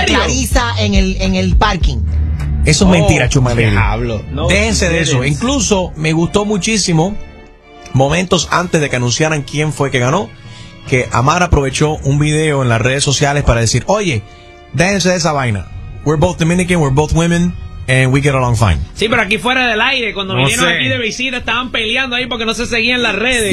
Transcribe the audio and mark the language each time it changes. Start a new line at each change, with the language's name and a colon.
Spanish: A Clarisa en el parking. Eso es mentira, Chumaleli. Hablo. No, déjense de eso. Incluso me gustó muchísimo, momentos antes de que anunciaran quién fue que ganó, que Amar aprovechó un video en las redes sociales para decir, oye, déjense de esa vaina.
English: We're both Dominican, we're both women, and we get along fine.
Spanish: Sí, pero aquí fuera del aire, cuando no vinieron aquí de visita, estaban peleando ahí porque no se seguían las redes.